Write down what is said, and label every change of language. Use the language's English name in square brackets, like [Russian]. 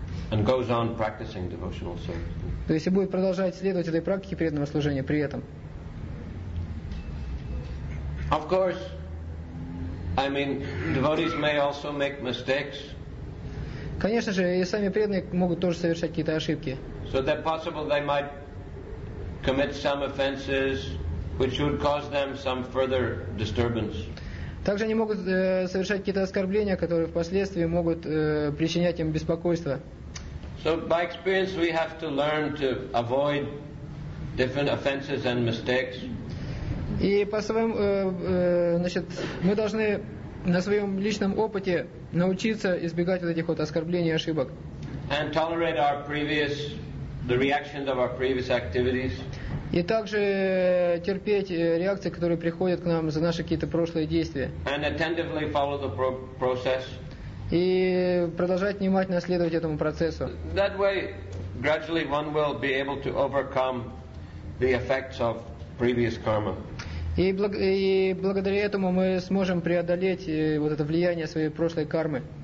[English] And goes on practicing devotional service. [Russian] То есть и будет продолжать следовать этой практике преданного служения при этом. [English] Of course, I mean, devotees may also make mistakes. [Russian] Конечно же, и сами преданные могут тоже совершать какие-то ошибки. [English] So that possible they might commit some offenses, which would cause them some further disturbance. [Russian] Также они могут совершать какие-то оскорбления, которые впоследствии могут причинять им беспокойство. [English] So by experience we have to learn to avoid different offenses and mistakes. [Russian] И по своим, значит, мы должны на своем личном опыте научиться избегать вот этих вот оскорблений и ошибок. [English] And tolerate our previous, the reactions of our previous activities. [Russian] И также терпеть реакции, которые приходят к нам за наши какие-то прошлые действия. [English] And attentively follow the process. [Russian] И продолжать внимательно следовать этому процессу. [English] That way, gradually one will be able to overcome the effects of previous karma. [Russian] И благодаря этому мы сможем преодолеть вот это влияние своей прошлой кармы.